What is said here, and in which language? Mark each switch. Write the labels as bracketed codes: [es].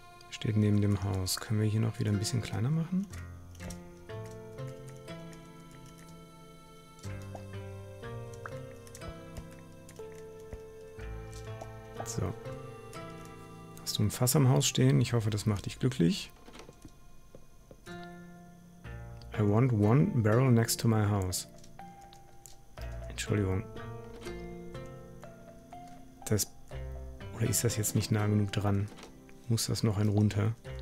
[de] Steht neben dem Haus. Können wir hier noch wieder ein bisschen kleiner machen? So. Hast du ein Fass am Haus stehen? Ich hoffe, das macht dich glücklich. [en] I want one barrel next to my house. [de] Entschuldigung. Das, oder ist das jetzt nicht nah genug dran? Muss das noch ein runter?